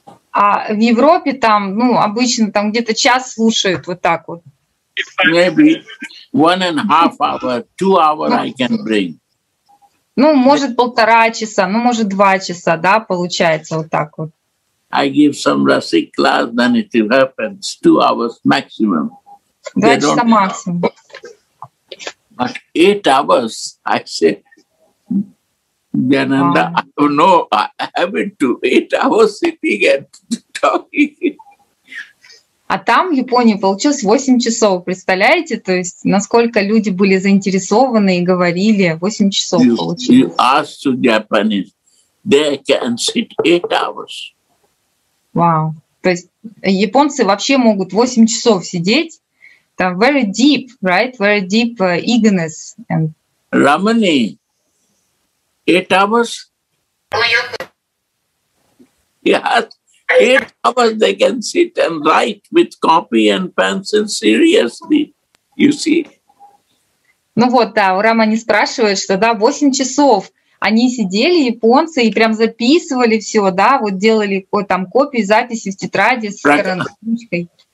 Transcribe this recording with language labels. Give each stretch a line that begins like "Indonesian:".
Russian: А в Европе там, обычно там где-то час слушают вот так вот.
English: Maybe 1.5 hour, 2 hour I can bring.
Russian: Может, 1.5 часа, может, 2 часа, да, получается вот так вот.
English: I give some rasic class, then it happens 2 hours maximum.
Russian: 2 часа максимум.
English: But 8 hours, I say, Jananda, I don't know, I haven't to 8 hours sitting and talking.
Russian: А там, в Японии, получилось 8 часов, представляете? То есть, насколько люди были заинтересованы и говорили, 8 часов получилось.
English: You ask to Japanese, they can sit 8 hours. Вау. Wow.
Russian: То есть, японцы вообще могут 8 часов сидеть. Там
English: very deep, right? Very deep eagerness. And... Ramani, 8 hours? Yes. 8 hours they can sit and write with copy and pencil seriously, you see.
Russian: У Рамани спрашивает, что 8 часов они сидели, японцы, и прям записывали все, делали там копии, записи в тетради с карандашкой.